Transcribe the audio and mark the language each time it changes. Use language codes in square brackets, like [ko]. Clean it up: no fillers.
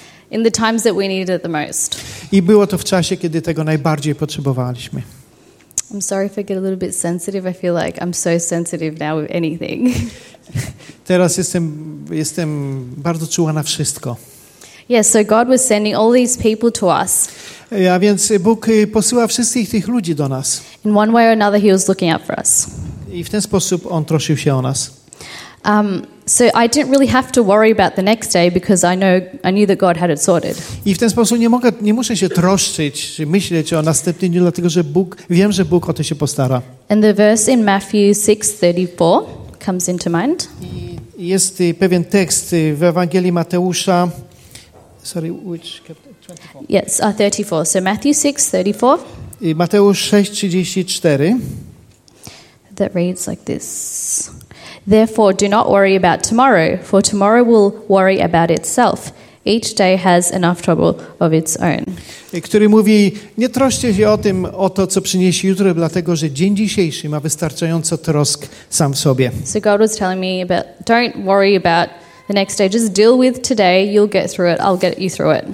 [en] In the times that we needed it the most. [pl] I było to w czasie, kiedy tego najbardziej potrzebowaliśmy. [en] I'm sorry if I get a little bit sensitive. I feel like I'm so sensitive now with anything. [pl] Teraz jestem jestem bardzo czuła na wszystko. [en] Yes, so God was sending all these people to us. [pl] A więc Bóg posyła wszystkich tych ludzi do nas. [en] In one way or another, he was looking out for us. [pl] I w ten sposób on troszył się o nas. [en] So I didn't really have to worry about the next day because I knew that God had it sorted. [pl] I w ten sposób nie muszę się troszczyć, myśleć o następnym dniu, dlatego że wiem, że Bóg o to się postara. [en] And the verse in Matthew 6:34 comes into mind. [pl] I jest pewien tekst w Ewangelii Mateusza. [en] Sorry, which chapter? 24. Yes, 34. So Matthew 6:34. [pl] Mateusz 6:34. [en] That reads like this. Therefore, do not worry about tomorrow, for tomorrow will worry about itself. Each day has enough trouble of its own. [pl] Który mówi, nie troszcie się o to, co przyniesie jutro, dlatego że dzień dzisiejszy ma wystarczająco trosk sam w sobie. [en] So God was telling me about, don't worry about the next day, just deal with today, you'll get through it, I'll get you through it.